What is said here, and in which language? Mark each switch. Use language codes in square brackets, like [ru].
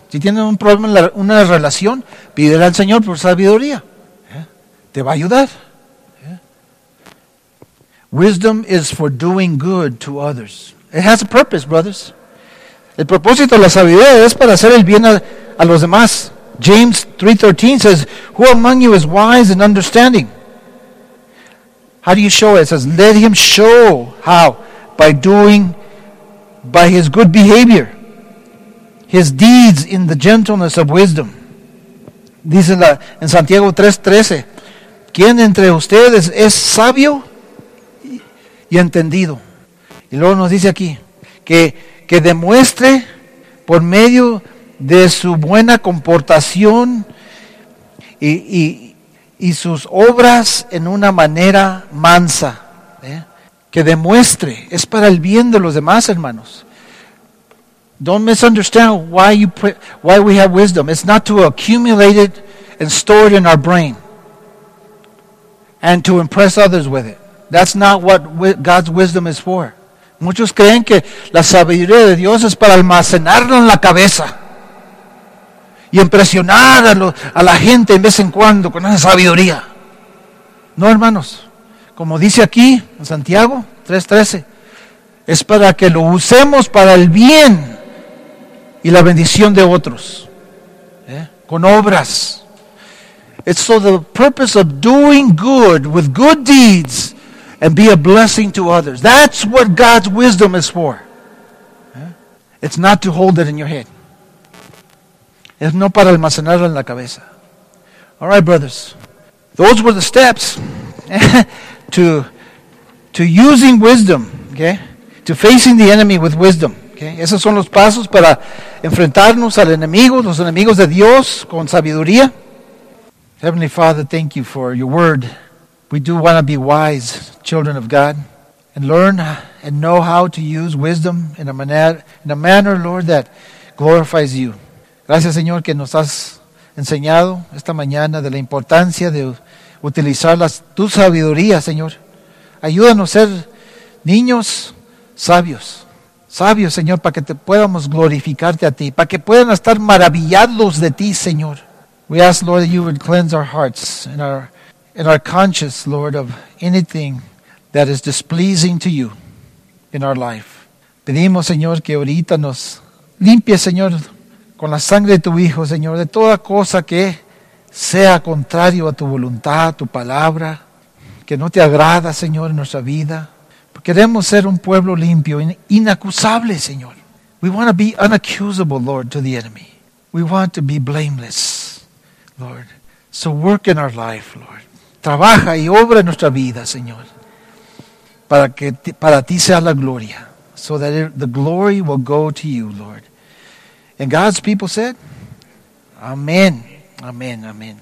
[es] Si tienes un problema en una relación, pídele al Señor por sabiduría. [en] Yeah. [es] Te va a ayudar. [en] Yeah. Wisdom is for doing good to others. It has a purpose, brothers. [es] El propósito de la sabiduría es para hacer el bien a los demás. [en] James 3:13 says, who among you is wise and understanding? How do you show it? It says, let him show how. By his good behavior. His deeds in the gentleness of wisdom. [es] Dice en Santiago 3:13, ¿quién entre ustedes es sabio y entendido? Y luego nos dice aquí, que demuestre por medio de su buena comportación y sus obras en una manera mansa. ¿Eh? Que demuestre. Es para el bien de los demás, hermanos. [en] Don't misunderstand why we have wisdom. It's not to accumulate it and store it in our brain and to impress others with it. That's not what God's wisdom is for. [es] Muchos creen que la sabiduría de Dios es para almacenarlo en la cabeza y impresionar a la gente de vez en cuando con esa sabiduría. No, hermanos. Como dice aquí en Santiago 3:13, es para que lo usemos para el bien y la bendición de otros, con obras. [en] It's for the purpose of doing good with good deeds and be a blessing to others. That's what God's wisdom is for. It's not to hold it in your head. [es] Es no para almacenarlo en la cabeza. [en] All right, brothers. Those were the steps to using wisdom, okay? To facing the enemy with wisdom, okay? [es] Esos son los pasos para enfrentarnos al enemigo, los enemigos de Dios con sabiduría. [en] Heavenly Father, thank you for your word. We do want to be wise children of God and learn and know how to use wisdom in a manner, Lord, that glorifies you. [es] Gracias, Señor, que nos has enseñado esta mañana de la importancia de utilizar tu sabiduría, Señor. Ayúdanos a ser niños sabios. Sabios, Señor, para que podamos glorificarte a ti, para que puedan estar maravillados de ti, Señor. [en] We ask, Lord, that you would cleanse our hearts and our conscience, Lord, of anything that is displeasing to you in our life. [es] Pedimos, Señor, que ahorita nos limpie, Señor, con la sangre de tu Hijo, Señor, de toda cosa que sea contrario a tu voluntad, tu palabra, que no te agrada, Señor, en nuestra vida. Queremos ser un pueblo limpio, inacusable, Señor. [en] We want to be unaccusable, Lord, to the enemy. We want to be blameless, Lord. So work in our life, Lord. [es] Trabaja y obra en nuestra vida, Señor, para que para ti sea la gloria. [en] So that the glory will go to you, Lord. And God's people said, amen, amen, amen.